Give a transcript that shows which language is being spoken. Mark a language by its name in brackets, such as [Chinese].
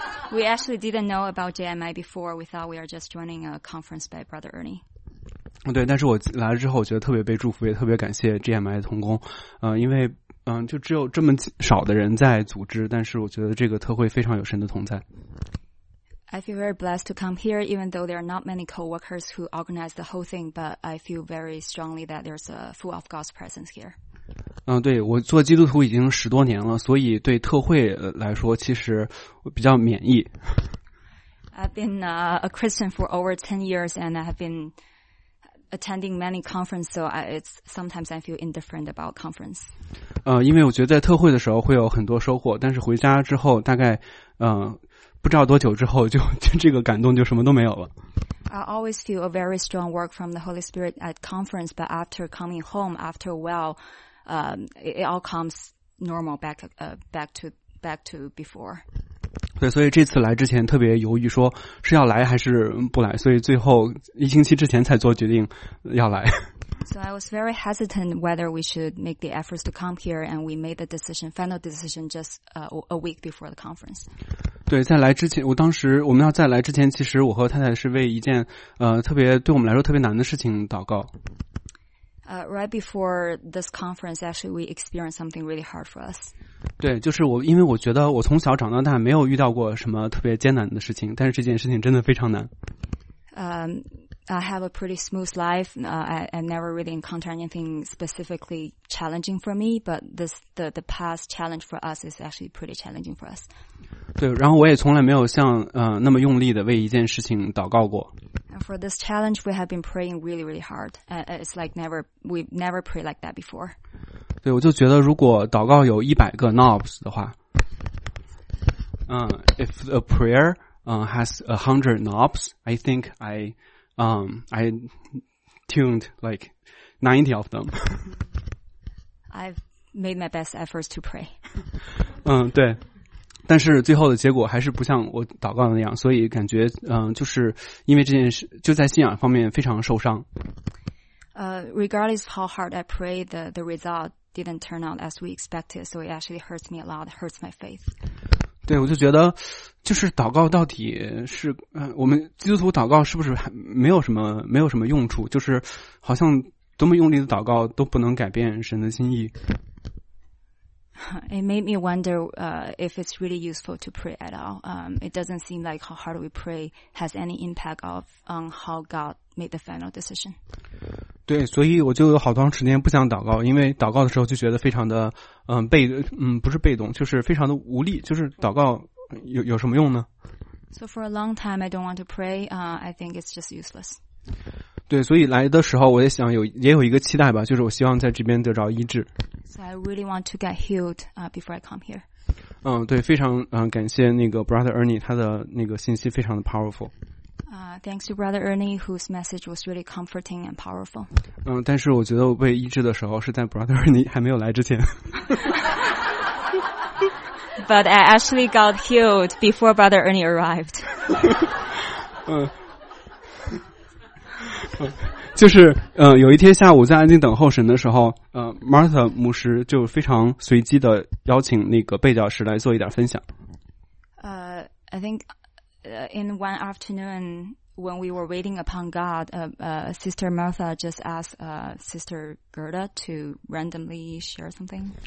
[English] We actually didn't know about GMI before. We thought we are just joining a conference by Brother Ernie. [Chinese] 对，但是我来了之后，我觉得特别被祝福，也特别感谢 GMI 的同工。因为就只有这么少的人在组织，但是我觉得这个特会非常有神的同在。 [English] I feel very blessed to come here, even though there are not many co-workers who organize the whole thing, but I feel very strongly that there's a full of God's presence here. [Chinese] 对，我做基督徒已经十多年了，所以对特会来说其实比较免疫。 [English] I've been a Christian for over 10 years, and I have been attending many conferences, so sometimes I feel indifferent about conference. [Chinese] 因为我觉得在特会的时候会有很多收获，但是回家之后大概不知道多久之后就这个感动就什么都没有了。 [English] I always feel a very strong work from the Holy Spirit at conference, but after coming home, after a while, it all comes normal back to before. [Chinese] 对，所以这次来之前特别犹豫说是要来还是不来，所以最后一星期之前才做决定要来。 [English] So I was very hesitant whether we should make the efforts to come here, and we made the decision, final decision, just a week before the conference. [Chinese] 对，在来之前，我们要在来之前，其实我和太太是为一件特别对我们来说特别难的事情祷告。 [English] Right before this conference, actually, we experienced something really hard for us. [Chinese] 对，就是我，因为我觉得我从小长到大没有遇到过什么特别艰难的事情，但是这件事情真的非常难。 [English] I have a pretty smooth life. I never really encountered anything specifically challenging for me, but the past challenge for us is actually pretty challenging for us. [Chinese] 对，然后我也从来没有像那么用力的为一件事情祷告过。 [English] And for this challenge, we have been praying really, really hard. It's like we've never prayed like that before. [Chinese] 对，我就觉得如果祷告有100个 knobs 的话， [English] if a prayer has 100 knobs, I think I tuned like 90 of them. I've made my best efforts to pray. [Chinese] 对，但是最后的结果还是不像我祷告的那样，所以感觉就是因为这件事就在信仰方面非常受伤。 [English] Regardless of how hard I pray, the result didn't turn out as we expected, so it actually hurts me a lot, hurts my faith. [Chinese] 对，我就觉得就是祷告到底是我们基督徒祷告是不是没有什么用处，就是好像多么用力的祷告都不能改变神的心意。 [English] It made me wonder if it's really useful to pray at all. It doesn't seem like how hard we pray has any impact on how God made the final decision. [Chinese] 对，所以我就有好长时间不想祷告，因为祷告的时候就觉得非常的不是被动，就是非常的无力，就是祷告有什么用呢？ [English] So for a long time, I don't want to pray. I think it's just useless. [Chinese] 对，所以来的时候我也想也有一个期待吧，就是我希望在这边得着医治。 [English] So I really want to get healed before I come here. [Chinese] 对，非常感谢那个 Brother Ernie， 他的那个信息非常的 powerful。 [English] Thanks to Brother Ernie, whose message was really comforting and powerful. [Chinese] 但是我觉得我被医治的时候是在 Brother Ernie 还没有来之前。 [English] But I actually got healed before Brother Ernie arrived. [Chinese] 就是有一天下午在安静等候神的时候，Martha 牧师就非常随机的邀请那个贝教师来做一点分享。 [English] I think in one afternoon when we were waiting upon God, Sister Martha just asked Sister Gerda to randomly share something.